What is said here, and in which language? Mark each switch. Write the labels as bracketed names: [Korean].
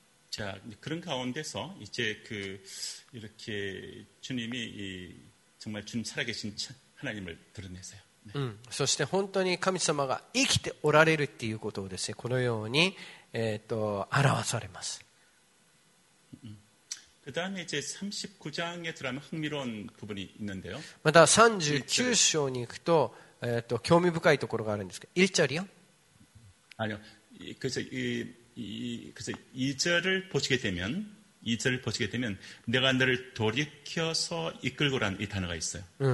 [Korean] 자그런가운데서이제그이렇게주님이정말주님살아계신하나님을드러내세요 [Japanese] そして本当に神様が生きておられるっていうことをですね、このように表されます。 [Korean] 그다음에이제39장에들어가면흥미로운부분이있는데요 [Japanese] また39章に行くと興味深いところがあるんですけど [Korean] 1절이요 아니요그래서이그래서이절을보시게되면이절을보시게되면내가너를돌이켜서이끌고라는이단어가있어요